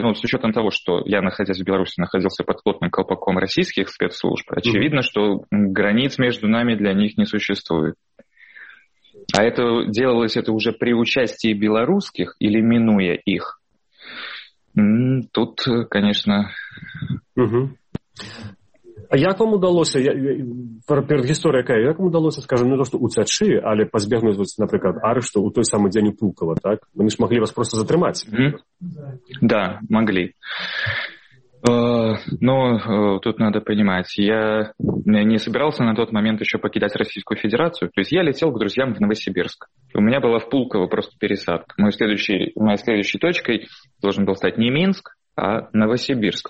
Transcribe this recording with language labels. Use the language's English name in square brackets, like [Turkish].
[Russian] Ну, с учетом того, что я, находясь в Беларуси, находился под плотным колпаком российских спецслужб, очевидно, что границ между нами для них не существует. А это делалось это уже при участии белорусских или минуя их? Тут, конечно... [Ukrainian] А як вам удалося, перед історією яка, як вам удалося, скажімо, не то, що утячи, але позбігнути, наприклад, арешту у той самий день у Пулково, так? Вони ж могли вас просто затримати. [Russian] Да, могли. Но тут надо понимать, я не собирался на тот момент еще покидать Российскую Федерацию. То есть я летел к друзьям в Новосибирск. У меня была в Пулково просто пересадка. Моей следующей точкой должен был стать не Минск, а Новосибирск.